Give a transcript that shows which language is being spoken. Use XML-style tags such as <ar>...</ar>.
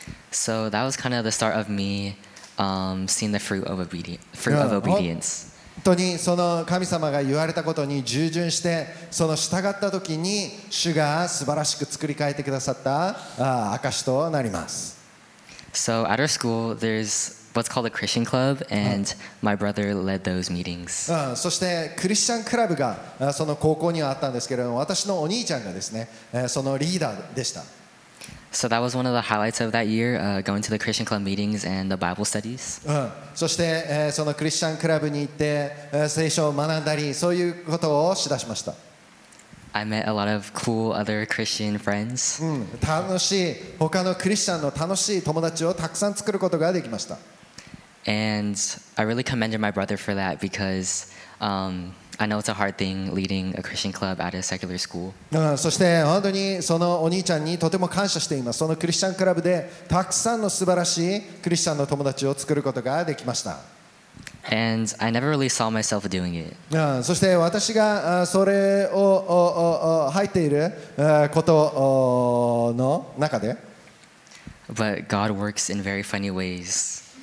<en>So that was kind of the start of me seeing the fruit of obedience.</en> <ja>本当にその神様が言われたことに従順してその従った時に主が素晴らしく作り変えてくださった証しとなります。</ja> <en>So at our school there'sWhat's called a Christian club, and my brother led those meetings.</en> <ja>そしてクリスチャンクラブがその高校にはあったんですけれども、私のお兄ちゃんがですね、そのリーダーでした。</ja> <en>So that was one of the highlights of that year, going to the Christian club meetings and the Bible studies.</en> <ja>そして、そのクリスチャンクラブに行って、聖書を学んだり、そういうことをしだしました。</ja> <en>I met a lot of cool other Christian friends.</en> <ja>楽しい他のクリスチャンの楽しい友達をたくさん作ることができました。</ja> <en>And I really commended my brother for that because I know it's a hard thing leading a Christian club at a secular school.</en> <ja>そして本当にそのお兄ちゃんにとても感謝しています。そのクリスチャンクラブでたくさんの素晴らしいクリスチャンの友達を作ることができました。</ja> <en>And I never really saw myself doing it.</en> <ja>そして私がそれを入っていることの中で。</ja> <en>But God works in very funny ways.</en>